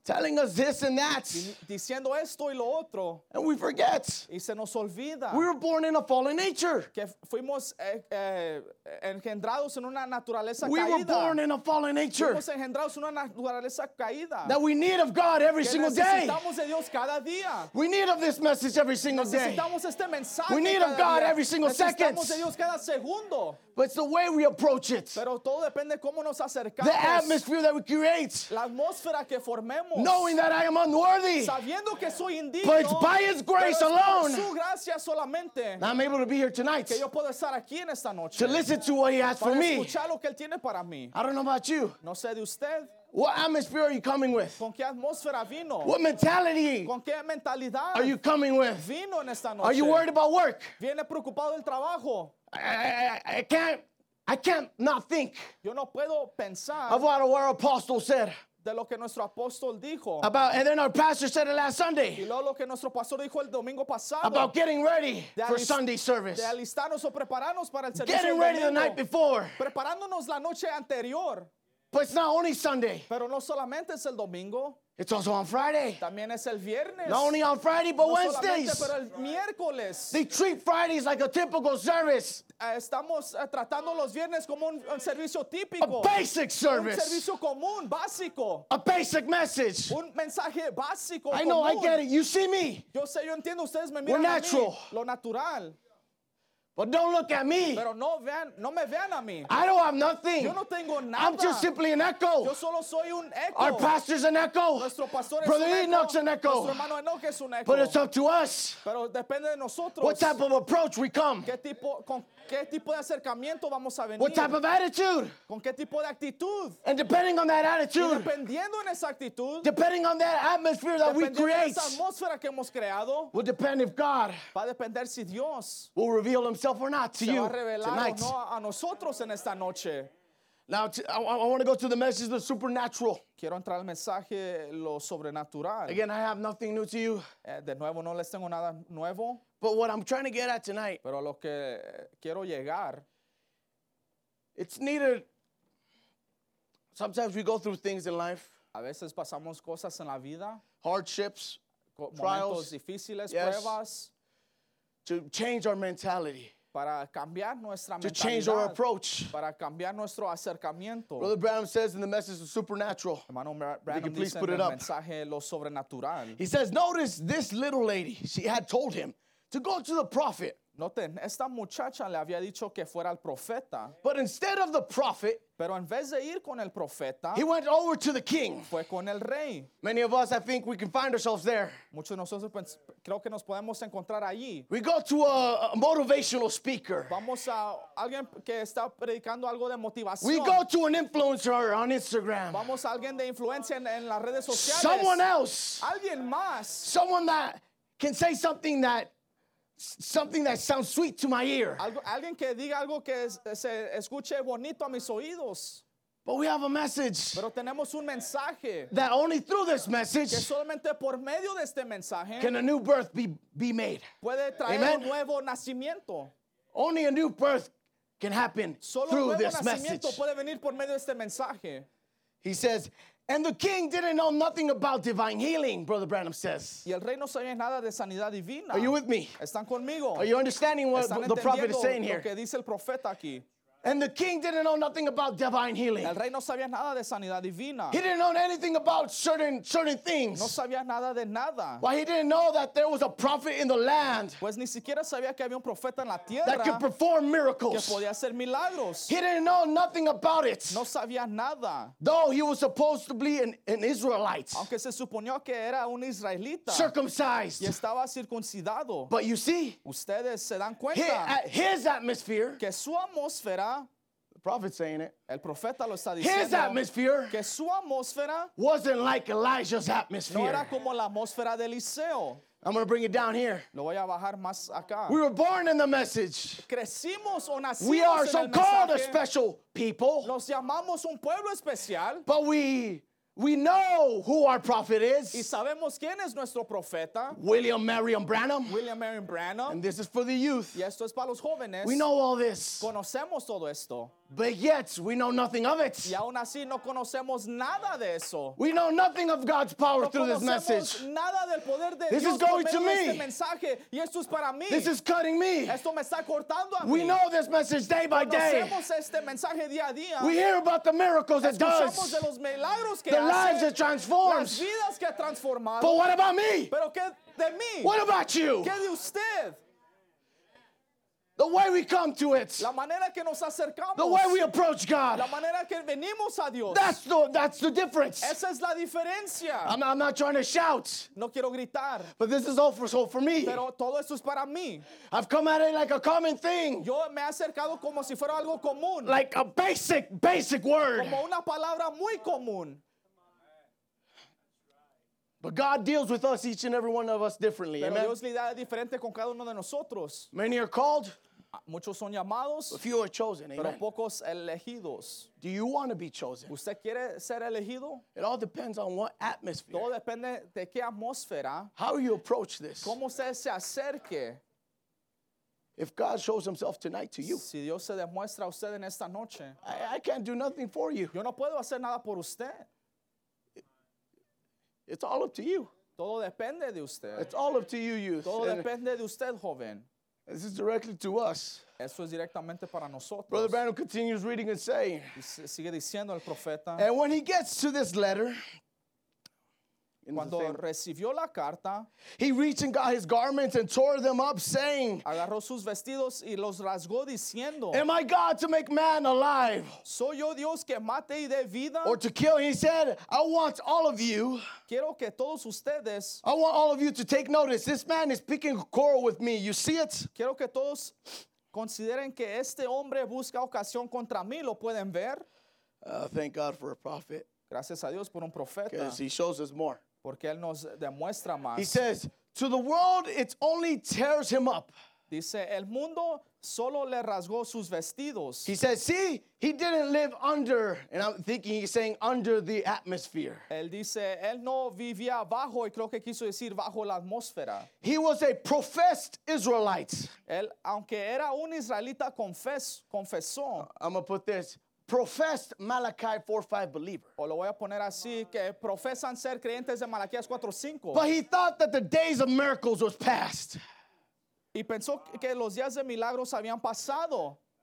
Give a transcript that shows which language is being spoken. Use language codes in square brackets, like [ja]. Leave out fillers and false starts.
[en] Telling us this and that. [es] Diciendo esto y lo otro. [en] And we forget. [es] Y se nos olvida. [en] We were born in a fallen nature. [es] Que fuimos engendrados en una naturaleza caída. [en] We were born in a fallen nature. [es] Fuimos engendrados en una naturaleza caída. [en] That we need of God every single day. [es] Necesitamos de Dios cada día. [en] We need of this message every single day. [es] Necesitamos este mensaje cada día. [en] We need of God every single second. [es] Necesitamos de Dios cada segundo. [en] But it's the way we approach it. [es] Pero todo depende cómo nos acercamos. [en] The atmosphere that we create. [es] La atmósfera que formemos. [en] Knowing that I am unworthy. [es] Sabiendo que soy indigno. [en] But it's by His grace [es] pero [en] alone. [es] Por su gracia solamente. [en] I'm able to be here tonight. [es] Que yo puedo estar aquí en esta noche. [en] To listen to what He has [es] para [en] for me. [es] Escuchar lo que Él tiene para mí. [en] I don't know about you. [es] No sé de usted. [en] What atmosphere are you coming with? [es] ¿Con qué atmósfera vino? [en] What mentality? [es] ¿Con qué mentalidad? [en] Are you coming with? [es] Vino en esta noche. [en] Are you worried about work? [es] ¿Viene preocupado del trabajo? [en] I can't not think. [es] Yo no puedo pensar. [en] Of what our apostle said. [es] De lo que nuestro apóstol dijo. [en] About, and then our pastor said it last Sunday. [es] Y luego lo que nuestro pastor dijo el domingo pasado. [en] About getting ready for Sunday service. [es] De alistarnos o prepararnos para el servicio. [en] Getting ready the night before. [es] Preparándonos la noche anterior. [en] But it's not only Sunday. [es] Pero no solamente es el domingo. [en] It's also on Friday. [es] También es el viernes. [en] Not only on Friday, but [es] no [en] Wednesdays. [es] Pero el miércoles. [en] They treat Fridays like a typical service. [es] Estamos tratando los viernes como un servicio típico. [en] A basic service. [es] Un servicio común, básico. [en] A basic message. [es] Un mensaje básico, [en] I know, [es] común. [en] I get it. You see me. [es] Yo sé, yo entiendo, ustedes me miran. [en] We're natural. [es] A mí, lo natural. [en] But don't look at me. [es] Pero no vean, no me vean a mí. [en] I don't have nothing. [es] Yo no tengo nada. [en] I'm just simply an echo. [es] Yo solo soy un echo. [en] Our pastor's an echo. [es] Nuestro pastor es [en] Brother [es] un [en] Enoch's [es] echo. [en] An echo. [es] Nuestro hermano Enoch es un echo. [en] But it's up to us. [es] Pero depende de nosotros. [en] What type of approach we come? [es] ¿Qué tipo de acercamiento vamos a venir? [en] What type of attitude? [es] ¿Con qué tipo de actitud? [en] And depending on that attitude. [es] Y dependiendo en esa actitud. [en] Depending on that atmosphere that we create. [es] Esa atmósfera que hemos creado. [en] Will depend if God. [es] Va a depender si Dios. [en] Will reveal Himself or not to [es] se [en] you [es] va a revelar [en] tonight. [es] O no a nosotros en esta noche. [en] Now I want to go to the message of the supernatural. [es] Quiero entrar al mensaje lo sobrenatural. [en] Again, I have nothing new to you. [es] De nuevo no les tengo nada nuevo. [en] But what I'm trying to get at tonight. [es] Pero lo que quiero llegar. [en] It's needed. Sometimes we go through things in life. [es] A veces pasamos cosas en la vida. [en] Hardships, trials, [es] momentos difíciles, [en] yes, [es] pruebas. [en] To change our mentality. [es] Para cambiar nuestra mentalidad. [en] To change our approach. [es] Para cambiar nuestro acercamiento. [en] Brother Branham says in the message of supernatural. [es] Hermano Branham dice en el mensaje lo sobrenatural. [en] He says, notice this little lady. She had told him to go to the prophet. [es] Noten, esta muchacha le había dicho que fuera al profeta. [en] But instead of the prophet. [es] Pero en vez de ir con el profeta. [en] He went over to the king. [es] Fue con el rey. [en] Many of us, I think, we can find ourselves there. [es] Muchos de nosotros creo que nos podemos encontrar allí. [en] We go to a motivational speaker. [es] Vamos a alguien que está predicando algo de motivación. [en] We go to an influencer on Instagram. [es] Vamos a alguien de influencia en las redes sociales. [en] Someone else. [es] Alguien más. [en] Someone that can say something that. Something that sounds sweet to my ear. [es] Alguien que diga algo que se escuche bonito a mis oídos. [en] But we have a message. [es] Pero tenemos un mensaje. [en] That only through this message. [es] Que solamente por medio de este mensaje. [en] Can a new birth be made. [es] Puede traer Amen. Un nuevo nacimiento. [en] Only a new birth can happen [es] solo [en] through [es] nuevo [en] this [es] nacimiento [en] message. [es] Puede venir por medio de este mensaje. [en] He says, and the king didn't know nothing about divine healing, Brother Branham says. [es] Y el rey no sabía nada de sanidad divina. [en] Are you with me? [es] ¿Están conmigo? [en] Are you understanding what the prophet is saying here? [es] Lo que dice el profeta aquí? [en] And the king didn't know nothing about divine healing. [es] El rey no sabía nada de sanidad divina. [en] He didn't know anything about certain things. [es] No sabía nada de nada. [en] Well, he didn't know that there was a prophet in the land. [es] Pues ni siquiera sabía que había un profeta en la tierra. [en] That could perform miracles. [es] Que podía hacer milagros. [en] He didn't know nothing about it. [es] No sabía nada. [en] Though he was supposed to be an Israelite. [es] Aunque se suponía que era un israelita. [en] Circumcised. [es] Y estaba circuncidado. [en] But you see. [es] Ustedes se dan cuenta. [en] He, at his atmosphere. [es] Que su atmósfera. [en] The prophet's saying it. [es] El profeta lo está diciendo. [en] His atmosphere [es] que su atmósfera [en] wasn't like Elijah's atmosphere. [es] No era como la atmósfera de Eliseo. [en] I'm going to bring it down here. [es] Lo voy a bajar más acá. [en] We were born in the message. [es] Crecimos o nacimos [en] we are [es] en [en] so [es] el [en] called [es] mensaje. [en] A special people. [es] Nos llamamos un pueblo especial. [en] But we know who our prophet is. [es] Y sabemos quién es nuestro profeta. [en] William Marion Branham. [es] William Marion Branham. [en] And this is for the youth. [es] Y esto es para los jóvenes. [en] We know all this. [es] Conocemos todo esto. [en] But yet, we know nothing of it. [es] Y aún así no conocemos nada de eso. [en] We know nothing of God's power [es] no [en] through this message. [es] Nada del poder de [en] this [es] Dios [en] is going to me. [es] Este mensaje, y esto es para mí. [en] This is cutting me. [es] Esto me está cortando a [en] we [es] mí. [en] Know this message day by [es] conocemos [en] day. [es] Este mensaje día a día. [en] We hear about the miracles [es] escuchamos [en] it does. [es] De los milagros que [en] the [es] hace, [en] lives it transforms. [es] Las vidas que ha transformado. [en] But what about me? [es] Pero que de mí? [en] What about you? [es] ¿Qué de usted? [en] The way we come to it. [es] La manera que nos acercamos. [en] The way we approach God. [es] La manera que venimos a Dios. [en] That's the difference. [es] Esa es la diferencia. [en] I'm not trying to shout. [es] No quiero gritar. [en] But this is all for me. [es] Pero todo esto es para mí. [en] I've come at it like a common thing. [es] Yo me he acercado como si fuera algo común. [en] Like a basic word. [es] Como una palabra muy común. [en] But God deals with us, each and every one of us, differently. [es] Pero amen. Dios lidia diferente con cada uno de nosotros. [en] Many are called. [es] Muchos son llamados. [en] A few are chosen. [es] Pero amen. Pocos elegidos. [en] Do you want to be chosen? [es] ¿Usted quiere ser elegido? [en] It all depends on what atmosphere. [es] Todo depende de qué atmósfera. [en] How you approach this. [es] Cómo usted se acerque. [en] If God shows himself tonight to you. [es] Si Dios se demuestra a usted en esta noche. [en] I can't do nothing for you. [es] Yo no puedo hacer nada por usted. [en] It's all up to you. [es] Todo depende de usted. [en] It's all up to you, youth. [es] Todo depende de usted, joven. [en] This is directly to us. [es] Eso es directamente para nosotros. [en] Brother Branham continues reading and saying. [es] Sigue diciendo el profeta. [en] And when he gets to this letter. [es] Cuando recibió la carta. [en] He reached and got his garments and tore them up, saying. [es] Agarró sus vestidos y los rasgó diciendo. [en] Am I God to make man alive? [es] Soy yo Dios que mate y dé vida. [en] Or to kill? He said, I want all of you. [es] Quiero que todos ustedes. [en] I want all of you to take notice. This man is picking quarrel with me. You see it? [es] Quiero que todos consideren que este hombre busca ocasión contra mí. ¿Lo pueden ver? [en] Thank God for a prophet. [es] Gracias a Dios por un profeta. [en] Because he shows us more. [es] Porque él nos demuestra más. [en] He says, to the world it only tears him up. [es] Dice, el mundo solo le rasgó sus vestidos. [en] He says, see, he didn't live under, and I'm thinking he's saying under the atmosphere. [es] Él dice, él no vivía bajo, y creo que quiso decir bajo la atmósfera. [en] He was a professed Israelite. [es] Él, aunque era un israelita confesó. [en] I'm going to put this. Professed Malachi 4:5 believer. [es] O lo voy a poner así que profesan ser creyentes de Malaquías 4:5. [en] But he thought that the days of miracles was past. [es] Y pensó que los días de milagros habían pasado.